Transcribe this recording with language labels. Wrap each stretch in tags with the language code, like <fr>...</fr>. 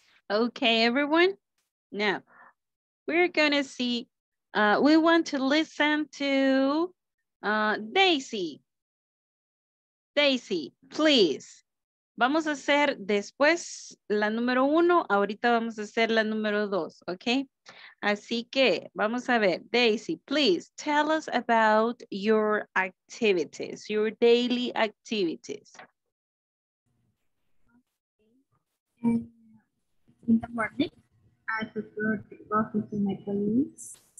<en>Okay, everyone. Now, we're gonna see, we want to listen to Daisy. Daisy, please.</en> <es>Vamos a hacer después la número uno, ahorita vamos a hacer la número dos, okay? Así que vamos a ver,</es> <en>Daisy, please tell us about your activities, your daily activities. In the morning, I prefer to go to my colleagues.</en>